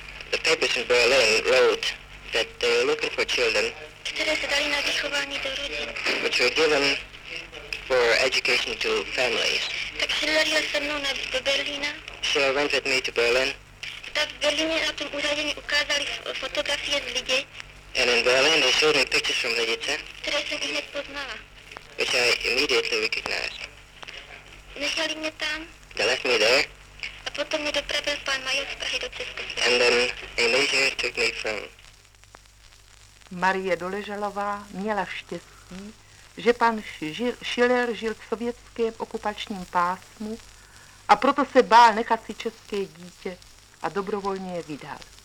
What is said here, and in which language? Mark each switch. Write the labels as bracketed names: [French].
[English] The papers in Berlin wrote that they were looking for children. [Czech] Které se dali na vychování do rodin. [English] Which were given for education to families. [Czech] Tak Schiller jel se mnou do Berlína. [English] Schiller went with me to Berlin. [Czech] Tak v Berlíně na tom úřadě mi ukázali fotografie z lidi. [English] And in Berlin they showed me pictures from the lidice. [Czech] Které jsem i hned poznala. [English] Which I immediately recognized. [Czech] Nechali mě tam. [English] They left me there. [Czech] A potom mě dopravil pan major z Prahy do Československa. [English] And then a major took me from. [Czech] Marie Doležalová měla štěstí, že pan Schiller žil v sovětském okupačním pásmu a proto se bál nechat si české dítě a dobrovolně je vydal.